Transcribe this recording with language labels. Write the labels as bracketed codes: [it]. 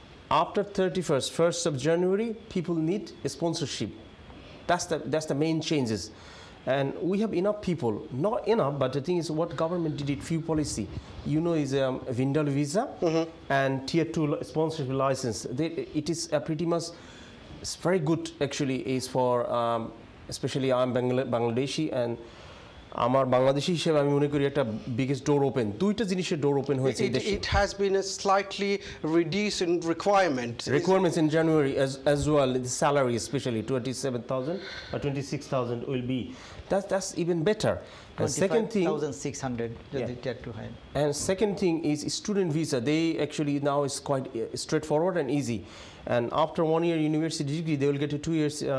[en] After 31st, 1st of January, people need a sponsorship. That's the main changes. And we have enough people. Not enough, but the thing is, what government did it, few policy. You know, is a Vindal visa and tier 2 sponsorship license. It is pretty much, it's very good, actually, is for, especially I'm Bangladeshi, and [bn] আমার বাংলাদেশি হিসেবে আমি মনে করি একটা biggest door open দুইটা জিনিসের door open হয়েছে [en] দেশে it has been a slightly reduce in requirements in January as well the salary specially 27000 বা 26000 will be that's even better And second thing, 26,600. And second thing is student visa. They actually now is quite straightforward and easy. And after 1 year university degree, they will get a 2 years